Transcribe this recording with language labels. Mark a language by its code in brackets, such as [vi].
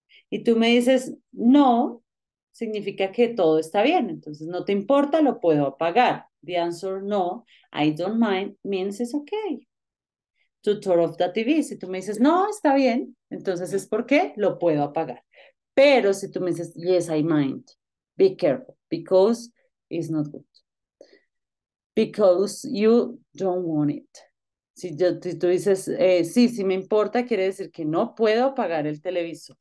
[es] Y tú me dices, no, significa que todo está bien. Entonces, no te importa, lo puedo apagar. [en] The answer, no, I don't mind, means it's okay to turn off the TV. [es] Si tú me dices, no, está bien, entonces es porque lo puedo apagar. Pero si tú me dices, [en] yes, I mind, be careful, because it's not good. Because you don't want it. [es] Si tú dices, sí, sí me importa, quiere decir que no puedo apagar el televisor.